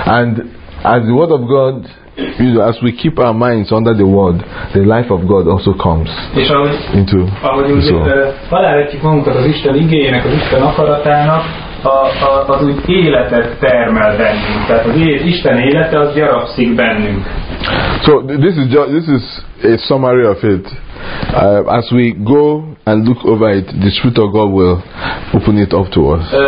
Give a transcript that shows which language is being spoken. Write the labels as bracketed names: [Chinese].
[English] And as the Word of God, you know, as we keep our minds under the Word, the life of God also comes into the soul. [Hungarian] Alávetjük magukat az Isten igéjének, az Isten akaratának, az úgy életet termel bennünk. Tehát az Isten élete az gyarapszik bennünk. [English] So this is a summary of it. As we go and look over it, the Spirit of God will open it up to us.